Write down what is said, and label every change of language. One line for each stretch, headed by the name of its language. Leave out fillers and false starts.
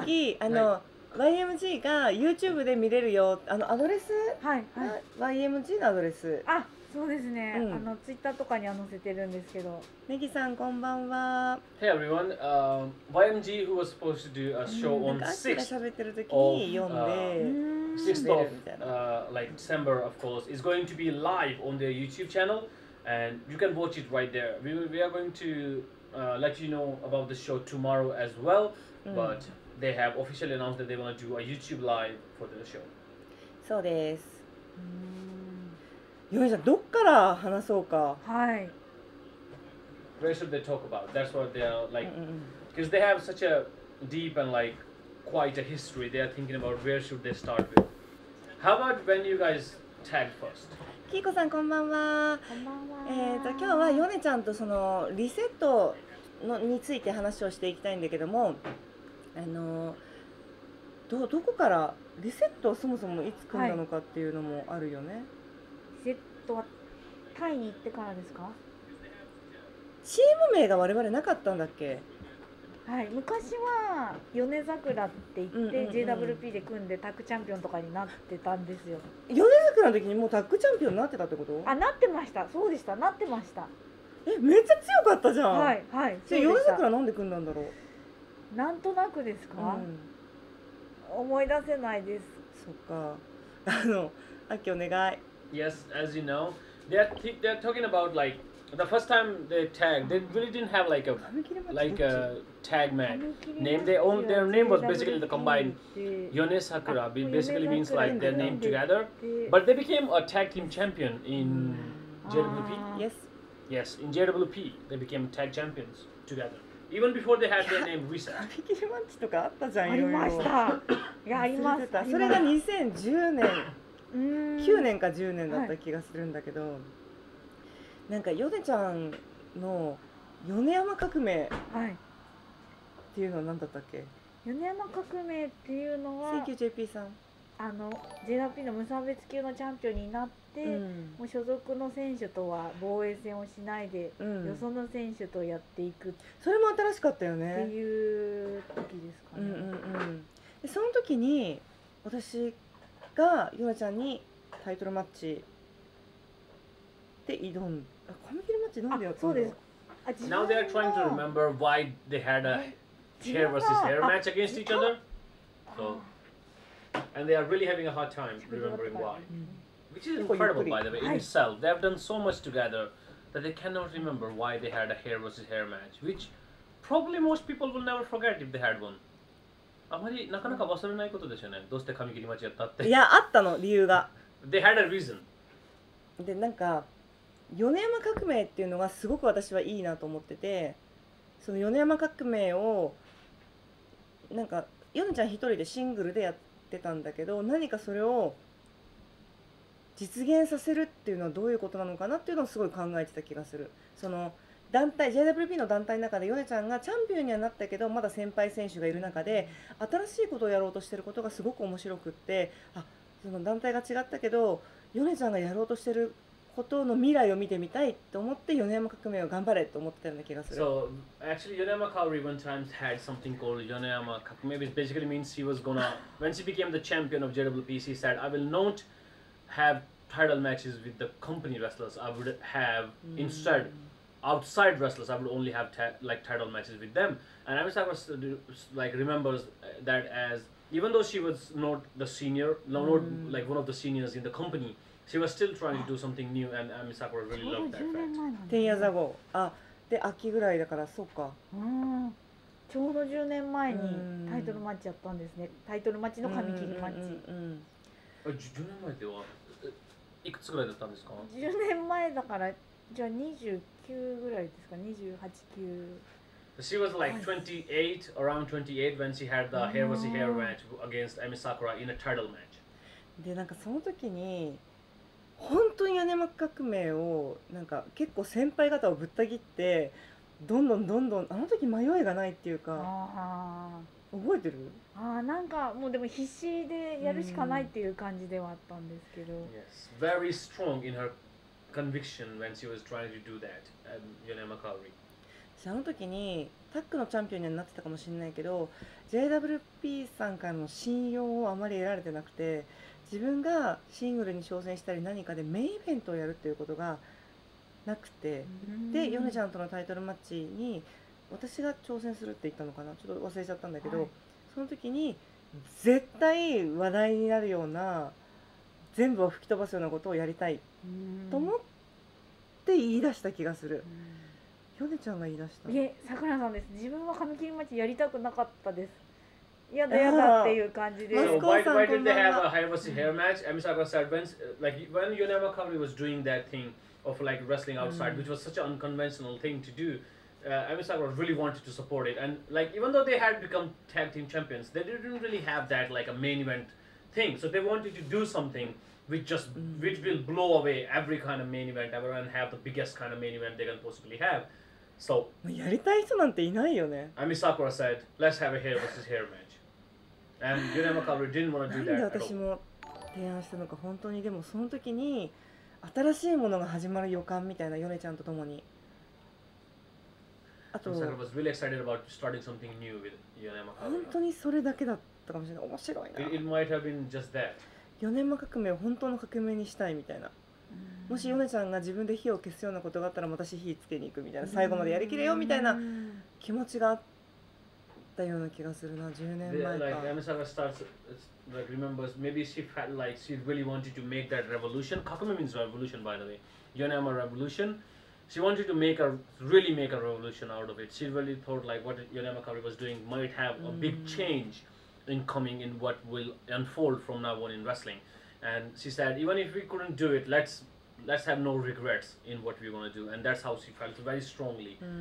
Japanese: 秋、あの、はい、YMG が YouTube で見れるよ、あのアドレス、はいはい、 YMG のアドレス、あ、そうですね、うん、あの Twitter とかには載せてるんですけど、ネギさんこんばんは。
English: Hey everyone、YMG who was supposed to do a show on 6th
Japanese: が喋ってる時に読んで、
English: 6th of like December of course is going to be live on their YouTube channel and you can watch it right there. We are going toLet you know about the show tomorrow as well, but they have officially announced that they want to do a YouTube live for the show.
Japanese: そうです。ヨネちゃん、どっから話そうか。はい。
English: Where should they talk about? That's what they are like, because they have such a deep and like quite a history. They are thinking about where should they start with. How about when you guys tag first?
Japanese: キイコさんこんばんは。こんばんは。今日はヨネちゃんとそのリセットのについて話をしていきたいんだけども、どこからリセットをそもそもいつ組んだのかっていうのもあるよね、はい、リセットはタイに行ってからですか。チーム名が我々なかったんだっけ。はい、昔はヨネザクラって言って、うんうんうん、JWP で組んでタッグチャンピオンとかになってたんですよ。ヨネザクラの時にもうタッグチャンピオンになってたってこと。あ、なってました、そうでした、なってました。え、めっちゃ強かったじゃん。はいはい、そうでした。ヨネザクラなんで組んだんだろう。なんとなくですか、うん、思い出せないです。そっか、あの、アキお願い。
English: Yes, as you know, they're talking about likeThe first time they tagged, they really didn't have like a tag man name. Their name was basically the combined Yone Sakura, basically means like their name together. But they became a tag team champion in JWP. Yes. Yes, in JWP, they became tag champions together. Even before they had their name reset.
Japanese: カミキリマッチとかあったじゃん、いろいろ。ありました。いや、ありました。それが2010年、9年か10年だった気がするんだけど。なんかヨネちゃんのヨネ山革命っていうのは何だったっけ。ヨネ山革命っていうのは CQJP さん、あの JWP の無差別級のチャンピオンになって、うん、もう所属の選手とは防衛戦をしないで、うん、よその選手とやっていく、それも新しかったよねっていう時ですかね、うんうんうん、でその時に私がヨネちゃんにタイトルマッチで挑んだ。髪切りマッチ、なんでやったの？そうです。あ、自分が…
English: Now they are trying to remember why they had a hair versus hair match against each other. So, and they are really having a hard time remembering why. Which is incredible, by the way, in itself. They have done so much together that they cannot remember why they had a hair versus hair match, which probably most people will never forget if they had one.
Japanese: あまりなかなか忘れないことですよね。どうして髪切り待ちやったって。いや、あったの、理由が。
English: They had a reason.
Japanese: で、なんか米山革命っていうのがすごく私はいいなと思ってて、その米山革命をなんか米ちゃん一人でシングルでやってたんだけど、何かそれを実現させるっていうのはどういうことなのかなっていうのをすごい考えてた気がする。その団体、 JWP の団体の中でヨネちゃんがチャンピオンにはなったけど、まだ先輩選手がいる中で新しいことをやろうとしていることがすごく面白くって、あ、その団体が違ったけどヨネちゃんがやろうとしていることの未来を見てみたいと思って、米山革命を頑張れと思ってたような気がする。
English: So actually Yonema Kaori one time had something called Yonema Kakume, which basically means he was gonna, when she became the champion of JWP, she said, I will not have title matches with the company wrestlers, I would have instead、mm. Outside wrestlers, I would only have like title matches with them. And I wish I was like remembers that, as even though she was not the senior, not like one of the seniors in the company, she was still trying to do something new. And Ami Sakura really loved that fact. 10 years ago.
Japanese: Ah, で秋ぐらいだから、そうか。ちょうど10年前にタイトルマッチやったんですね。タイトルマッチの髪切りマッチ。 10年前ではいくつぐらいだったんですか？ 10年前だから。じゃあ29ぐらいですか、28、9。
English: She was like 28, around 28 when she had the hair versus hair match against Ami Sakura in a title match.
Japanese: で、なんかその時に本当に米山革命をなんか結構先輩方をぶった切ってどんどんどんどん、あの時迷いがないっていうか、あ、覚えてる？あ、なんかもうでも必死でやるしかないっていう感じではあったんですけど。
English: Yes, very strong in herConviction when she was trying to do that, Yonema Kaori.
Japanese: あの時にタッグのチャンピオンになってたかもしれないけど、JWP さんからの信用をあまり得られてなくて、自分がシングルに挑戦したり何かでメインイベントをやるっていうことがなくて、で、ヨネちゃんとのタイトルマッチに私が挑戦するって言ったのかな、ちょっと忘れちゃったんだけど、はい、その時に絶対話題になるような、全部を吹き飛ばすようなことをやりたいと思って言い出した気がする。ヨネちゃんが言い出した。いえ、さくらさんです。自分は髪切り待ちやりたくなかったです。いやだやだっていう感じで。マスコーさん、こんばんは。
English: Why did they have a hair versus hair match? Ami Sakura said when, like, when Yonema Kaori was doing that thing of like wrestling outside, which was such an unconventional thing to do, Ami Sakura really wanted to support it. And like, even though they had become tag team champions, they didn't really have that like a main eventthing. So they wanted to do something which just, which will blow away every kind of main event ever and have the biggest kind of main event they can possibly have. So,
Japanese: やりたい人なんていないよね。
English: Ami Sakura said, let's have a hair versus hair match. And Yonema Kaori didn't want to do that.
Japanese: なんで私も提案したのか、本当に。でもその時に新しいものが始まる予感みたいな、ヨネちゃんと共に。あと、
English: Ami Sakura was really excited about starting something new with Yonema Kaori.
Japanese: 本当にそれだけだった。かもしれない。面白いな。
English: It might have been just that.
Japanese: 米山革命を本当の革命にしたいみたいな。もし米ちゃんが自分で火を消すようなことがあったら、私火つけに行くみたいな、最後までやりきれよみたいな気持ちがあったような気がするな。 10年前か。
English: Like, Amisaga starts, like, remembers, maybe she felt like she really wanted to make that revolution. 革命 means revolution, by the way. 米山 revolution. She wanted to make a, really make a revolution out of it. She really thought like what 米山 Kaori was doing might have a big changeIncoming in what will unfold from now on in wrestling, and she said, even if we couldn't do it, let's have no regrets in what we're gonna do, and that's how she felt very strongly.